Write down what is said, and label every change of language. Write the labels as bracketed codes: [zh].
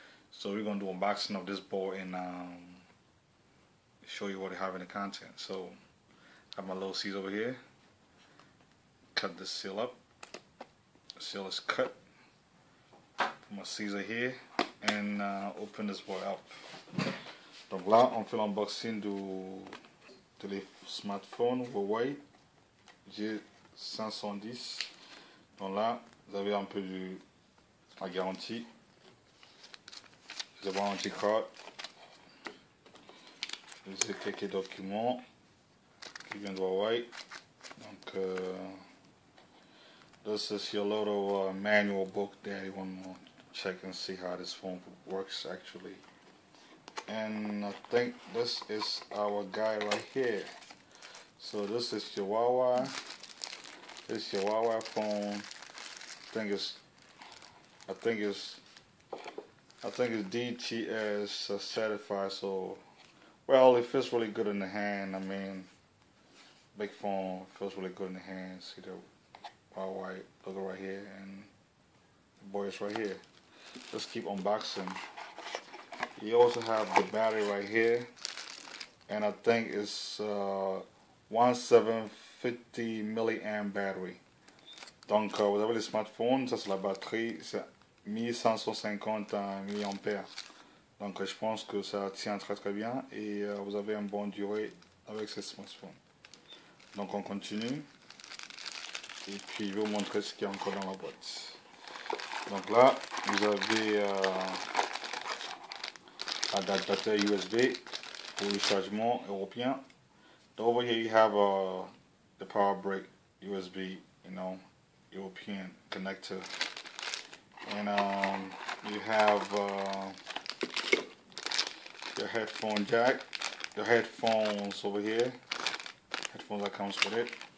[en] So we're gonna do unboxing of this board and show you what it have in the content. So I have my little seats over here. Cut the seal up. The seal is cut. Put my scissor here and open this boy up. [fr] Donc là, on fait l'unboxing du smartphone HUAWEI G510. Donc là, vous avez un peu de la garantie. Vous avez un petit card. Vous avez quelques documents qui viennent de HUAWEI. Donc, [en] this is your little manual book that you want to check and see how this phone works actually. And I think this is our guy right here. So this is your HUAWEI. This is your HUAWEI phone. I think it's DTS certified. So, well, it feels really good in the hand. I mean, big phone feels really good in the hand. See the HUAWEI logo right here, and the boy is right here. Let's keep unboxing. You also have the battery right here, and I think it's 1750 milliamp battery. [fr] Donc, vous avez le smartphone, ça c'est la batterie, c'est 1150 milliampères. Donc, je pense que ça tient très très bien, et vous avez une bonne durée avec ce smartphone. Donc, on continue. Et puis, je vais vous montrer ce qu'il y a encore dans la boîte. Donc là, vous avez adaptateur USB pour le chargement européen. [en] Over here, you have the power brick USB, you know, European connector. And you have your headphone jack, your headphones over here, headphones that comes with it.